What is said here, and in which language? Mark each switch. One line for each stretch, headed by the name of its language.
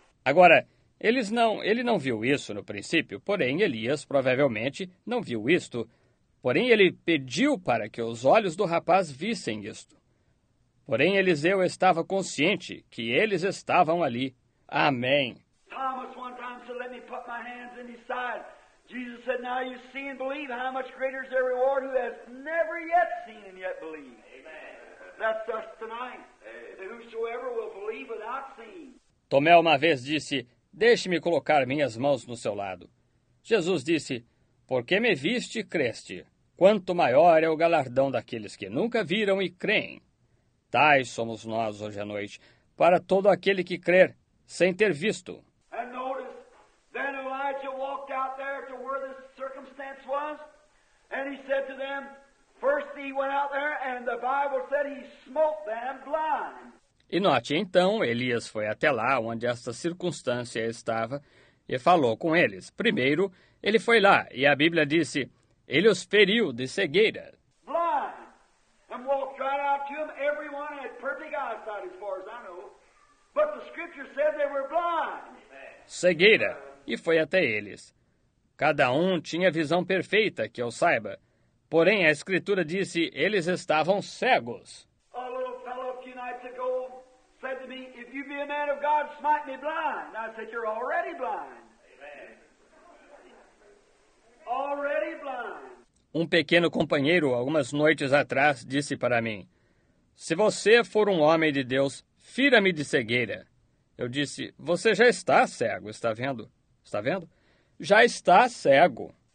Portuguese: Agora, ele não viu isso no princípio, porém Elias provavelmente não viu isto. Porém ele pediu para que os olhos do rapaz vissem isto. Porém Eliseu estava consciente que eles estavam ali. Amém.
English: Thomas one time said, let me put my hands in his side. Jesus said, now you see and believe, how much greater is their reward who has never yet seen and yet believed. Amen. That's us tonight. Amen. And whosoever will believe without seeing.
Portuguese: Tomé uma vez disse, deixe-me colocar minhas mãos no seu lado. Jesus disse, porque me viste e creste, quanto maior é o galardão daqueles que nunca viram e creem. Tais somos nós hoje à noite, para todo aquele que crer, sem ter visto.
English: And notice, then Elijah walked out there to where the circumstance was, and he said to them, first he went out there, and the Bible said he smote them blind.
Portuguese: E note, então, Elias foi até lá onde esta circunstância estava e falou com eles. Primeiro, ele foi lá, e a Bíblia disse, ele os feriu de cegueira.
English: Blind. And walked right out to him. Everyone had perfect eyesight as far as I know. But the scripture said they were blind.
Portuguese: Cegueira. E foi até eles. Cada um tinha visão perfeita, que eu saiba. Porém, a escritura disse, eles estavam cegos.
English: A little fellow a few nights ago said to me, if you be a man of God, smite me blind. I said, you're already blind. Already blind.
Portuguese: Um pequeno companheiro, algumas noites atrás, disse para mim, se você for um homem de Deus, fira-me de cegueira. Eu disse, você já está cego, está vendo? Está vendo? Já está cego.